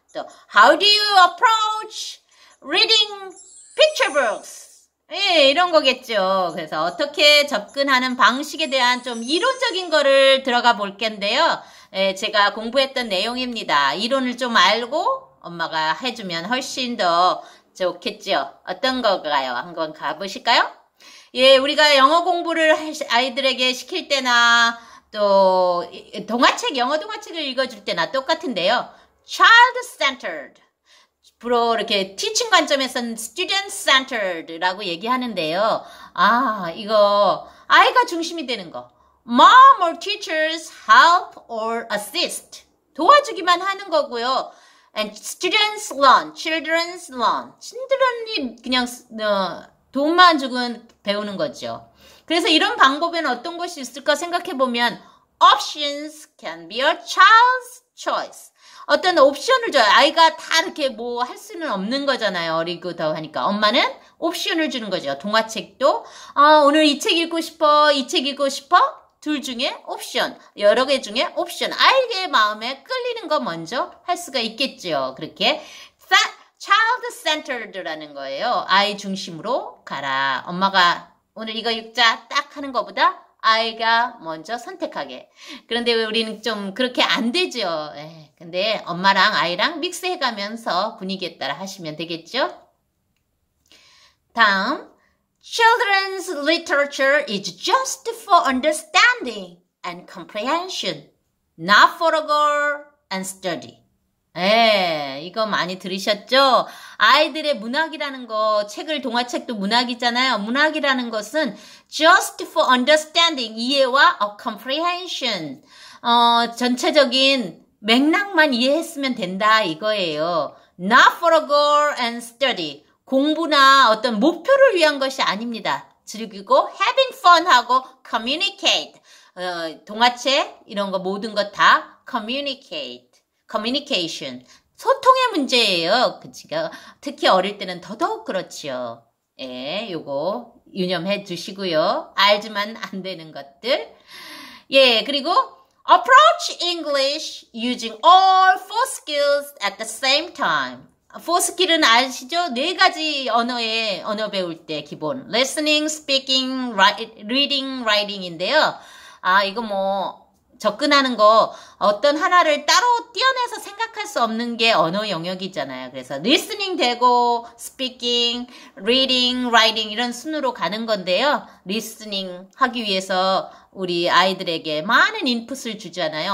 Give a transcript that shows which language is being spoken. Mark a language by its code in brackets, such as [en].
[ko] 또 [en] How do you approach reading picture books? [ko] 예, 이런 거겠죠. 그래서 어떻게 접근하는 방식에 대한 좀 이론적인 거를 들어가 볼 겐데요. 예, 제가 공부했던 내용입니다. 이론을 좀 알고 엄마가 해주면 훨씬 더 좋겠죠. 어떤 거가요? 한번 가보실까요? 예, 우리가 영어 공부를 아이들에게 시킬 때나 또 동화책, 영어 동화책을 읽어줄 때나 똑같은데요. [en] Child-centered. [ko] 앞으로 이렇게 teaching 관점에서는 student centered 라고 얘기하는데요. 아, 이거 아이가 중심이 되는 거. [en] Mom or teachers help or assist. [ko] 도와주기만 하는 거고요. [en] And students learn, children's learn. [ko] 친들이 그냥 돈만 주고 배우는 거죠. 그래서 이런 방법에는 어떤 것이 있을까 생각해 보면 [en] options can be a child's choice. [ko] 어떤 옵션을 줘요. 아이가 다 이렇게 뭐 할 수는 없는 거잖아요. 어리고 더 하니까. 엄마는 옵션을 주는 거죠. 동화책도. 아, 오늘 이 책 읽고 싶어? 이 책 읽고 싶어? 둘 중에 옵션. 여러 개 중에 옵션. 아이의 마음에 끌리는 거 먼저 할 수가 있겠죠. 그렇게 child-centered라는 거예요. 아이 중심으로 가라. 엄마가 오늘 이거 읽자 딱 하는 것보다 아이가 먼저 선택하게. 그런데 우리는 좀 그렇게 안 되죠. 에이, 근데 엄마랑 아이랑 믹스해가면서 분위기에 따라 하시면 되겠죠. 다음, [en] Children's literature is just for understanding and comprehension, not for a goal and study. [ko] 예, 이거 많이 들으셨죠? 아이들의 문학이라는 거, 책을 동화책도 문학이잖아요. 문학이라는 것은 [en] just for understanding, [ko] 이해와 [en] a comprehension. [ko] 전체적인 맥락만 이해했으면 된다 이거예요. [en] Not for a goal and study. [ko] 공부나 어떤 목표를 위한 것이 아닙니다. 즐기고 [en] having fun [ko] 하고 communicate. 동화책 이런 거 모든 것 다 communicate. [en] Communication. [ko] 소통의 문제예요. 그치가. 특히 어릴 때는 더더욱 그렇죠. 예, 요거 유념해 주시고요. 알지만 안 되는 것들. 예, 그리고 [en] approach English using all four skills at the same time. [ko] Four skill은 아시죠? 네 가지 언어에, 언어 배울 때 기본. [en] Listening, speaking, reading, writing [ko] 인데요. 아, 이거 뭐, 접근하는 거 어떤 하나를 따로 뛰어내서 생각할 수 없는 게 언어 영역이잖아요. 그래서 리스닝 되고 스피킹, 리딩, 라이딩 이런 순으로 가는 건데요. 리스닝 하기 위해서 우리 아이들에게 많은 인풋을 주잖아요.